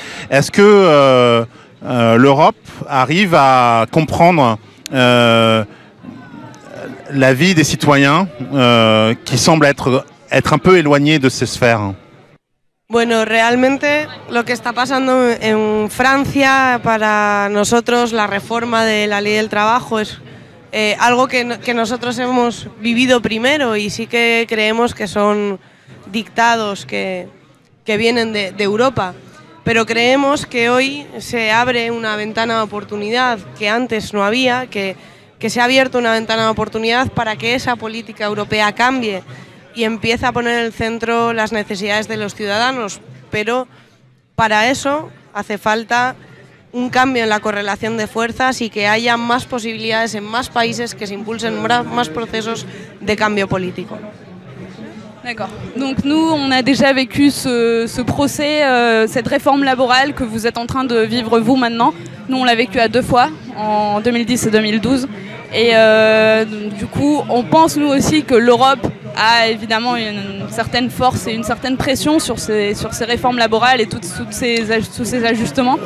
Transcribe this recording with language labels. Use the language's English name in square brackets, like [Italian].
[French] Est-ce que l'Europe arrive à comprendre la vie des citoyens qui semblent être un peu éloignés de ces sphères? [Spanish] Bueno, realmente lo que está pasando en Francia para nosotros, la reforma de la ley del trabajo, es algo que nosotros hemos vivido primero y sí que creemos que son dictados que vienen de Europa. Pero creemos que hoy se abre una ventana de oportunidad que antes no había, que se ha abierto una ventana de oportunidad para que esa política europea cambie y empieza a poner en el centro las necesidades de los ciudadanos, pero para eso hace falta un cambio en la correlación de fuerzas y que haya más posibilidades en más países que se impulsen más procesos de cambio político. [French] D'accord. Donc nous, on a déjà vécu ce procès, cette réforme laborale que vous êtes en train de vivre vous maintenant. Nous, on l'a vécu à 2 fois, en 2010 et 2012. Et du coup, on pense nous aussi que l'Europe a évidemment une certaine force et une certaine pression sur ces réformes laborales et tous ces ajustements.